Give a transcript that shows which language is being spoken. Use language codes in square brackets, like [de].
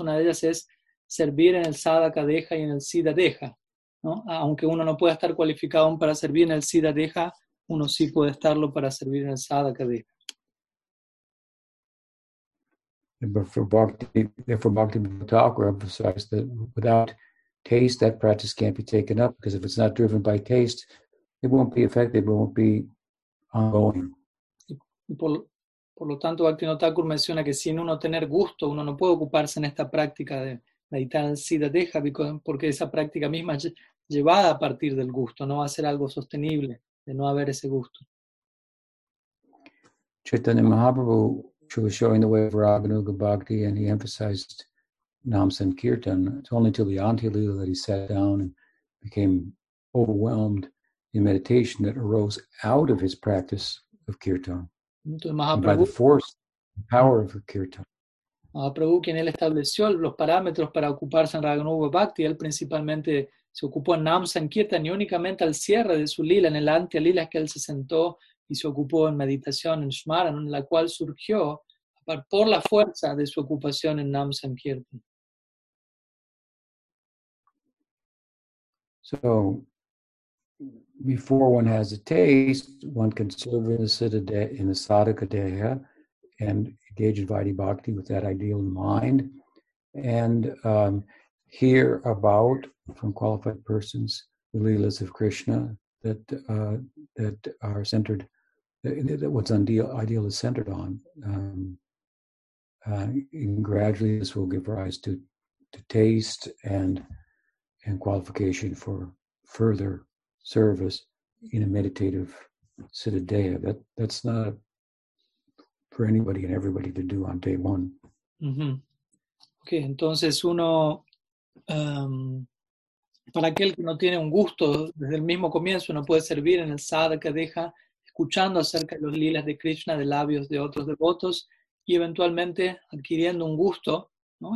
[es] Una de ellas es servir en el Sadaka Deja y en el Siddha Deja, ¿no? Aunque uno no pueda estar cualificado aún para servir en el Siddha Deja, uno sí puede estarlo para servir en el Sadaka Deja. [en] Therefore, Bhakti Bhattakura emphasized that without taste, that practice can't be taken up, because if it's not driven by taste, it won't be effective, it won't be ongoing. [es] Por lo tanto, Bhakti Bhattakura menciona que sin uno tener gusto, uno no puede ocuparse en esta práctica de meditar en Siddha Deja, porque esa práctica misma es llevada a partir del gusto, no va a ser algo sostenible de no haber ese gusto. [en] Chaitanya Mahaprabhu, who was showing the way of Raganuga Bhakti, and he emphasized Nam Sankirtan. It's only till the Anti Lila that he sat down and became overwhelmed in meditation that arose out of his practice of kirtan. By the force, the power of kirtan. [es] Mahaprabhu, quien él estableció los parámetros para ocuparse en Raganuga Bhakti, él principalmente se ocupó en Nam Sankirtan y únicamente al cierre de su lila, en el Anti Lila, es que él se sentó y se ocupó en meditación, en Smaran, en la cual surgió por la fuerza de su ocupación en Nam Sankirtan. [en] So, before one has a taste, one can serve in the sadhaka deha and engage in Vaidhi Bhakti with that ideal in mind and hear about, from qualified persons, the leelas of Krishna that are centered, that what's ideal is centered on. And gradually this will give rise to taste and qualification for further service in a meditative siddhadeya. That's not for anybody and everybody to do on day one. Mm-hmm. [es] Okay, entonces uno, para aquel que no tiene un gusto, desde el mismo comienzo uno puede servir en el sadhaka deha, escuchando acerca de los lilas de Krishna, de labios de otros devotos, y eventualmente adquiriendo un gusto, ¿no?